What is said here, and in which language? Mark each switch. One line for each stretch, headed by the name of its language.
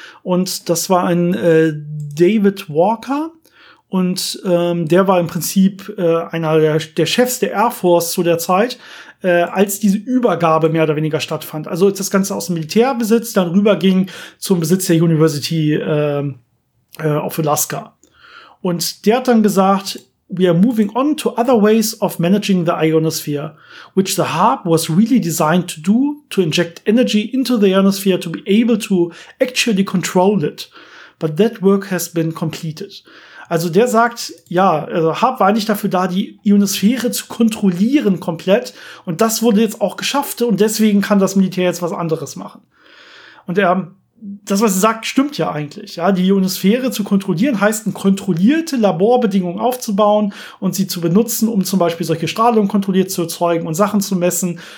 German: Und das war ein David Walker, und der war im Prinzip einer der Chefs der Air Force zu der Zeit, als diese Übergabe mehr oder weniger stattfand. Also als das Ganze aus dem Militärbesitz dann rüberging zum Besitz der University auf Alaska. Und der hat dann gesagt,
English: we are moving on to other ways of managing the ionosphere, which the HAARP was really designed to do, to inject energy into the ionosphere to be able to actually control it. But that work has been completed.
German: Also der sagt, ja, also HAARP war nicht dafür da, die Ionosphäre zu kontrollieren komplett. Und das wurde jetzt auch geschafft. Und deswegen kann das Militär jetzt was anderes machen. Und er, das, was er sagt, stimmt ja eigentlich. Ja, die Ionosphäre zu kontrollieren heißt, eine kontrollierte Laborbedingungen aufzubauen und sie zu benutzen, um zum Beispiel solche Strahlung kontrolliert zu erzeugen und Sachen zu messen.